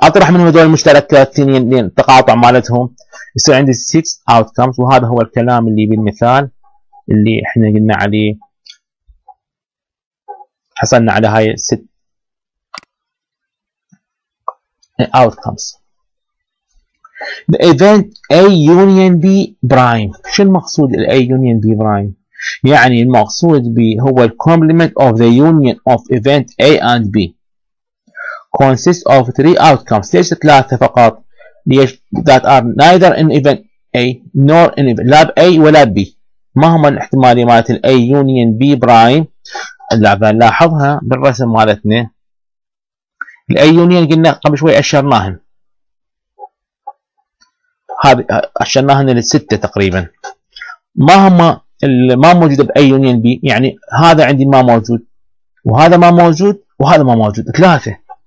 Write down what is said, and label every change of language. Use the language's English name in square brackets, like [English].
[Arabic] اطرح من هذول المشتركات الاثنين التقاطع مالتهم، يصير عندي 6 outcomes. وهذا هو الكلام اللي بالمثال اللي احنا قلنا عليه، حصلنا على هاي 6 outcomes. [English] The event A union B prime. [Arabic] شو المقصود الـ A union B prime؟ يعني المقصود به هو الـ [English] complement of the union of event A and B. Consist of three outcomes. [Arabic] ليش ثلاثة فقط؟ ليش [English] that are neither in event A nor in event lab A [Arabic] ولا [English] B. [Arabic] ما هما الاحتمالية مالت الـ A union B prime؟ لاحظها بالرسم مالتنا. الـ A union قلنا قبل شوي أشرناهن. هذه أشرناهن للستة تقريبا. ما هما اللي ما موجودة بـ A union B؟ يعني هذا عندي ما موجود، وهذا ما موجود، وهذا ما موجود، ثلاثة.